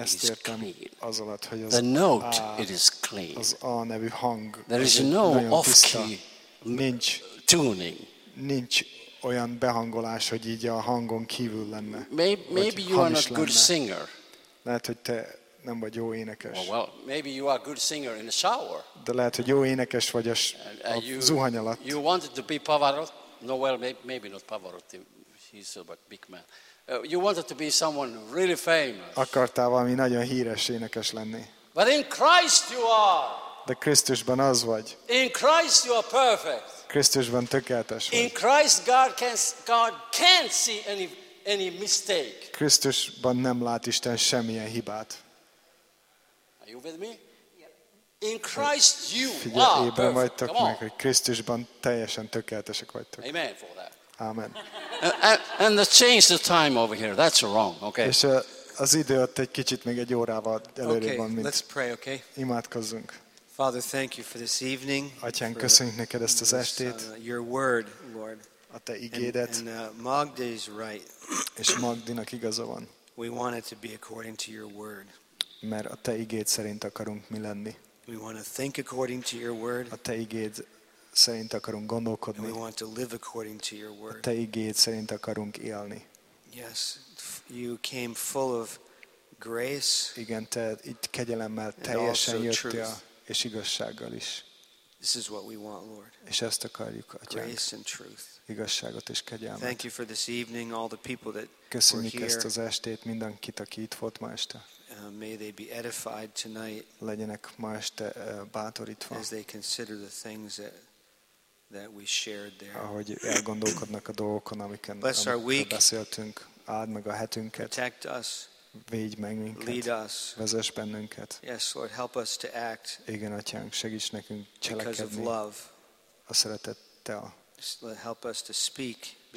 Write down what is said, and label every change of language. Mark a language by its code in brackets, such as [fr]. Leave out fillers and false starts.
[hu] ezt értem az alatt, hogy az [en] the note, it is clean. [hu] Az A nevű hang. [en] There is no off-key tuning. [hu] Nincs olyan behangolás, hogy így a hangon kívül lenne. [en] Maybe you are not a good singer. [hu] Lehet, hogy te nem vagy jó énekes. [en] Well, maybe you are a good singer in the shower. [hu] De lehet, hogy jó énekes vagy a zuhany alatt. [en] You wanted to be Pavarotti. No, well, maybe not Pavarotti. He's a big man. You wanted to be someone really famous. [hu] Akartál valami nagyon híres énekes lenni. [en] But in Christ you are. [hu] De Krisztusban az vagy. [en] In Christ you are perfect. [hu] Krisztusban tökéletes vagy. [en] In Christ God can see any mistake. [hu] Krisztusban nem lát Isten semmilyen hibát. [en] Are you with me? In Christ you are. [hu] Ébren vagytok meg, hogy Krisztusban teljesen tökéletesek vagytok. [en] Amen for that. [hu] Amen. [en] And the change the time over here. That's wrong. Okay. [hu] És az idő ott egy kicsit még egy órával előrébb van, mint. [en] Okay. Let's pray, okay? [hu] Imádkozzunk. [en] Father, thank you for this evening. [hu] Atyán, köszönjük neked ezt az estét. [en] Your word, Lord. [hu] A te igédet. [en] And Magda is right. [hu] És Magdinak igaza van. [en] We want it to be according to your word. [hu] Mert a te igéd szerint akarunk mi lenni. [en] We want to think according to your word. [hu] A te igéd szerint akarunk gondolkodni. [en] And we want to live according to your word. [hu] A te igéd szerint akarunk élni. [en] Yes, you came full of grace. [hu] Igen, te itt kegyelemmel teljesen jöttél. És igazsággal is. [en] This is what we want, Lord. [hu] És ezt akarjuk, Atyánk. [en] Grace and truth. [hu] Igazságot és kegyelmet. [en] Thank you for this evening, all the people that were here. [hu] Köszönjük ezt az estét, mindenkit, aki itt volt ma este. [en] May they be edified tonight. [hu] Legyenek ma este bátorítva. [en] As they consider the things that we shared there. [hu] Ahogy elgondolkodnak a dolgokon, amiket beszéltünk. Áld meg a hetünket. [en] Protect us. [hu] Védj meg minket. [en] Lead us. [hu] Vezess bennünket. [en] Yes, Lord, help us to act. [hu] Igen, Atyánk, segíts nekünk cselekedni. [en] Because of love. [hu] A szeretettel. [en] Help us to speak because